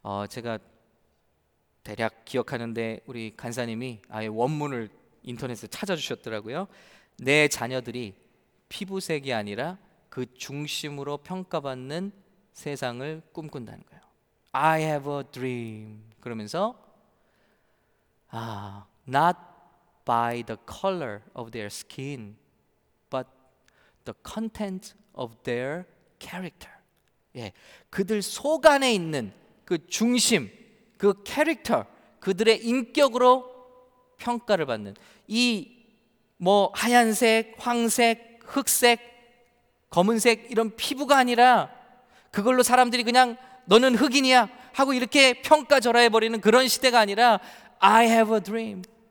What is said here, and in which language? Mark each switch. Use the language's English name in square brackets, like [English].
[Korean] 제가 대략 기억하는데 우리 간사님이 아예 원문을 인터넷에 찾아주셨더라고요. 내 자녀들이 피부색이 아니라 그 중심으로 평가받는 세상을 꿈꾼다는 거예요. [English] I have a dream. [Korean] 그러면서 [English] not by the color of their skin, but the content of their character. [Korean] 예, 그들 속 안에 있는 그 중심, 그 캐릭터, 그들의 인격으로 평가를 받는 이 뭐 하얀색, 황색, 흑색, 검은색 이런 피부가 아니라 그걸로 사람들이 그냥 너는 흑인이야 하고 이렇게 평가절하해버리는 그런 시대가 아니라 [English] I have a dream.